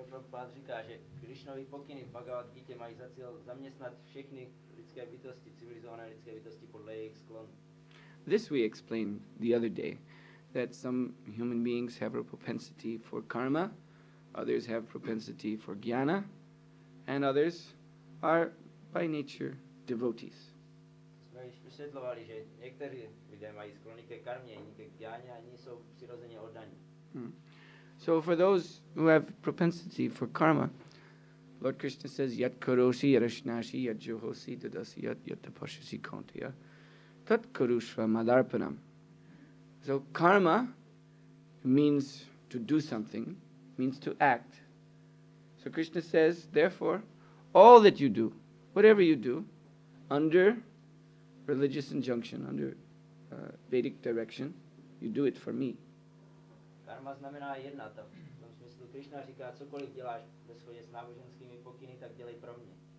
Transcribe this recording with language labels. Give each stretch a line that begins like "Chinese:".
Czech: Pán říká, že Krišnovy pokyny v Bhagavad Gita mají za cíl zaměstnat všechny lidské bytosti, civilizované lidské bytosti podle jejich sklonu.
English: This we explained the other day, that some human beings have a propensity for karma, others have propensity for jnana, and others are by nature devotees.
Czech: Jsme již vysvětlovali, že někteří lidé mají sklony ke karmě, jiní ke jnaně, a jiní jsou přirozeně oddaní.
English: So for those who have propensity for karma, Lord Krishna says,
Sanskrit: yat karoshi yarashnashi yat juhosi dadasi yat yatapashasi kantiya tat karushva madarpanam.
English: So karma means to do something, means to act. So Krishna says, therefore, all that you do, whatever you do, under religious injunction, under Vedic direction, you do it for me.
Czech: Karma znamená jednat. V tom smyslu Krishna říká, cokoliv děláš ve shodě s náboženskými pokyny, tak dělej pro mě.